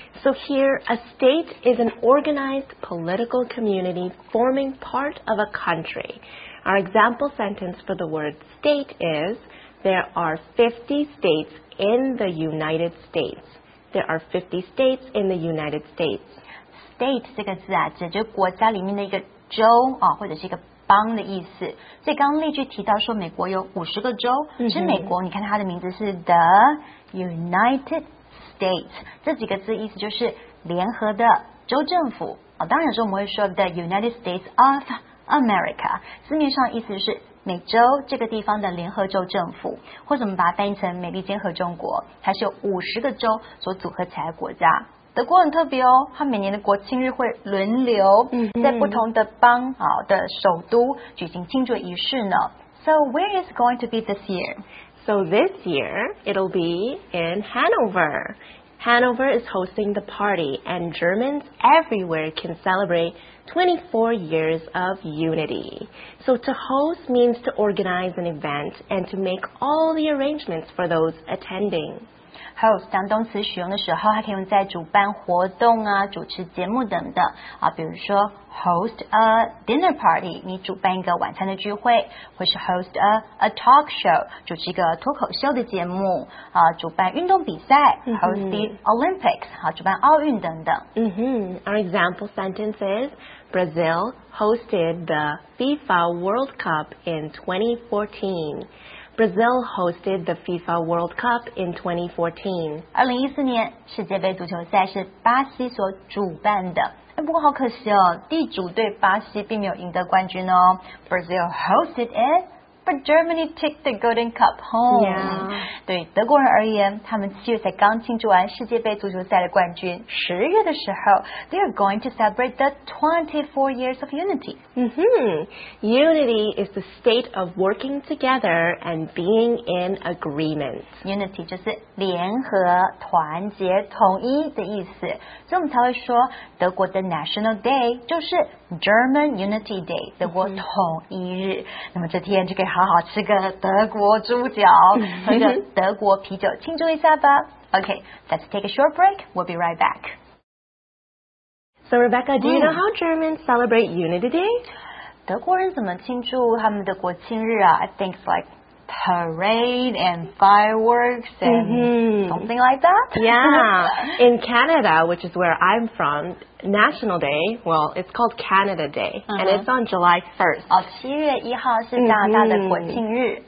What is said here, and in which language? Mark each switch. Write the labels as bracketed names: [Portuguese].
[English] So here, a state is an organized political community forming part of a country. Our example sentence for the word state is, there are 50 states in the United States. There are 50 states in the United States. [Chinese] State 这个字啊，指就国家里面的一个州啊，或者是一个邦的意思。所以刚刚例句提到说，美国有50个州，是美国。你看它的名字是 The United States， 这几个字意思就是联合的州政府啊。当然有时候我们会说 The United States of America， 字面上意思是美洲这个地方的联合州政府，或者我们把它翻译成美利坚合众国，它是由50个州所组合起来的国家。德国很特别哦，它每年的国庆日会轮流在不同的邦的首都举行庆祝仪式呢。 [English] So where is going to be this year? So this year, it'll be in Hanover. Hanover is hosting the party, and Germans everywhere can celebrate 24 years of unity. So to host means to organize an event and to make all the arrangements for those attending. [Chinese] Host 当动词使用的时候，它可以用在主办活动啊、主持节目等等啊，比如说 [English] host a dinner party， [Chinese] 你主办一个晚餐的聚会，或是 [English] host a talk show， [Chinese] 主持一个脱口秀的节目啊，主办运动比赛 ， [English] host the Olympics， [Chinese] 啊，主办奥运等等。 [English] Our example sentence is Brazil hosted the FIFA World Cup in 2014. Brazil hosted the FIFA World Cup in 2014. [Chinese] 2014年世界杯足球赛是巴西所主办的。不过好可惜哦，地主队巴西并没有赢得冠军哦。 [English] Brazil hosted it, but Germany took the Golden Cup home. Yeah. [Chinese] 对德国人而言，他们七月才刚庆祝完世界杯足球赛的冠军。十月的时候 [English] ，they are going to celebrate the 24 years of unity. Unity is the state of working together and being in agreement. [Chinese] Unity 就是联合、团结、统一的意思，所以我们才会说德国的 National Day 就是 German Unity Day， 德国统一日。那么这天就可以好好吃个德国猪脚，喝个德国啤酒，庆祝一下吧。 [English] Okay, let's take a short break. We'll be right back. So Rebecca, do you know how Germans celebrate Unity Day? [Chinese] 德国人怎么庆祝他们的国庆日啊? [English] I think it's like parade and fireworks and something like that. Yeah. In Canada, which is where I'm from, National Day, well, it's called Canada Day. Uh-huh. And it's on July 1st. [Chinese] 哦,七月一号是加拿大的国庆日。